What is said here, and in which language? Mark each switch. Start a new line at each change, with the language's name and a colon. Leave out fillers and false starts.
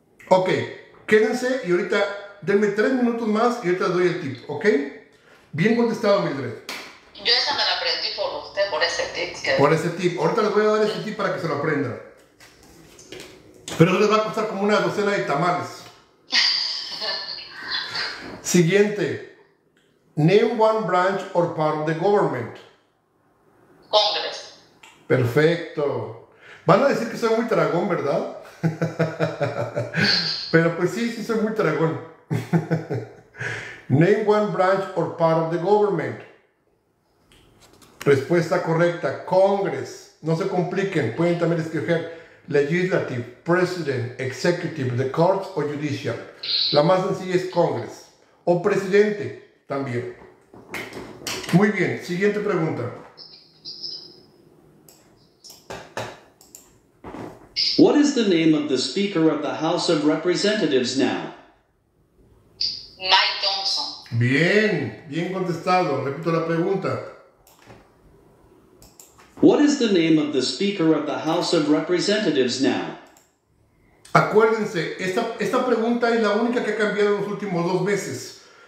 Spanish: Ok, quédense y ahorita denme 3 minutos más y ahorita les doy el tip, ¿ok? Bien contestado, Mildred. Yo esa me la aprendí por usted, por ese tip. Por ese tip. Ahorita les voy a dar ese tip para que se lo aprendan. Pero les va a costar como una docena de tamales. Siguiente.
English: Name one branch or part of the government. Congress.
Spanish: Perfecto. Van a decir que soy muy tragón, ¿verdad? Pero pues sí, sí soy muy tragón.
English: Name one branch or part of the government.
Spanish: Respuesta correcta, Congress. No se compliquen, pueden también escoger legislative, president, executive, the courts o judicial. La más sencilla es Congress o presidente también. Muy bien, siguiente pregunta.
English: What is the name of the Speaker of the House of Representatives now? Mike Johnson.
Spanish: Bien, bien contestado. Repito la pregunta.
English: What is the name of the Speaker of the House of Representatives now?
Spanish: Acuérdense, esta pregunta es la única que ha cambiado en los últimos dos meses.